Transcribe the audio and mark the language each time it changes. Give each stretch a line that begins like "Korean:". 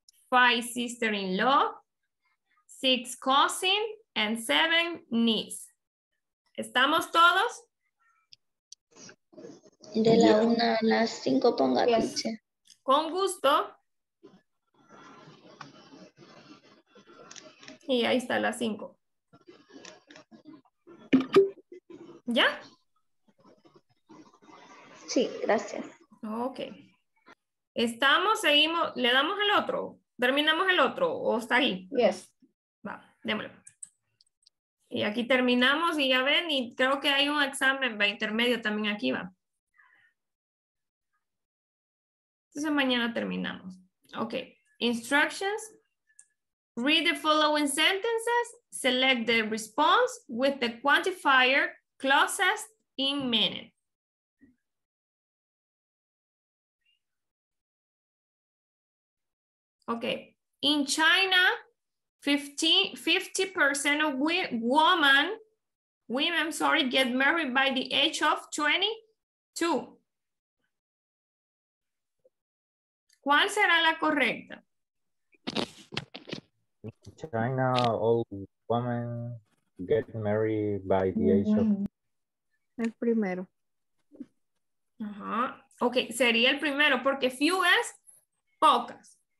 English: Five, sister-in-law, six, cousin, and seven, niece.
Spanish: ¿Estamos todos? De la una a las cinco, ponga pinche. Con gusto. Y ahí está la cinco. ¿Ya? Sí, gracias. Ok. Estamos, seguimos, le damos el otro. ¿Terminamos el otro o está ahí?
English: Yes.
Spanish: Va, démosle. Y aquí terminamos y ya ven, y creo que hay un examen intermedio también aquí, va. Entonces mañana terminamos.
English: Okay. Instructions. Read the following sentences. Select the response with the quantifier closest in minute. Okay. In China, 50% of women get married by the age of 22.
Spanish: ¿Cuál será la correcta?
English: In China, all women get married by the age of...
Spanish: El primero. Uh-huh. Okay, sería el primero, porque few es pocas.